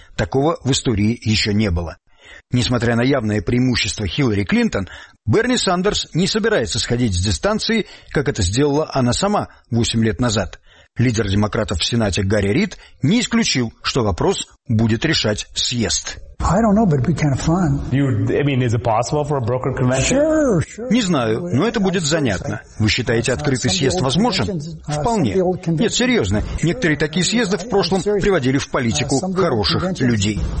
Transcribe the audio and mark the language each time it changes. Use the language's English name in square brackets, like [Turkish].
[Russian] Такого в истории еще не было. Несмотря на явное преимущество Хиллари Клинтон, Берни Сандерс не собирается сходить с дистанции, как это сделала она сама 8 лет назад. Лидер демократов в Сенате Гарри Рид не исключил, что вопрос будет решать съезд. [English] I don't know, but it'd be kind of fun. Is it possible for a broker convention? Sure. [Russian] Не знаю, но это будет занятно. Вы считаете открытый съезд возможным? Вполне. Нет, серьезно. Некоторые такие съезды в прошлом приводили в политику хороших людей.